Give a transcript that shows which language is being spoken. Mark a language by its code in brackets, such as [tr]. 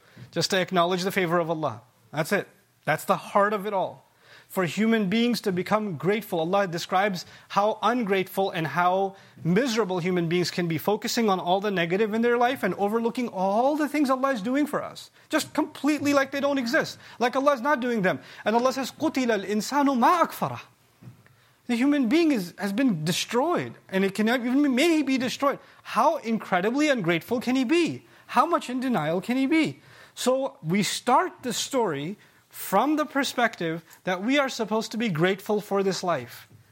[en] Just to acknowledge the favor of Allah. That's it. That's the heart of it all. For human beings to become grateful, Allah describes how ungrateful and how miserable human beings can be, focusing on all the negative in their life and overlooking all the things Allah is doing for us. Just completely like they don't exist. Like Allah is not doing them. And Allah says, [ar] قُتِلَ الْإِنسَانُ مَا أَكْفَرَهُ. [en] The human being has been destroyed, and it can even may he be destroyed. How incredibly ungrateful can he be? How much in denial can he be? So we start the story from the perspective that we are supposed to be grateful for this life.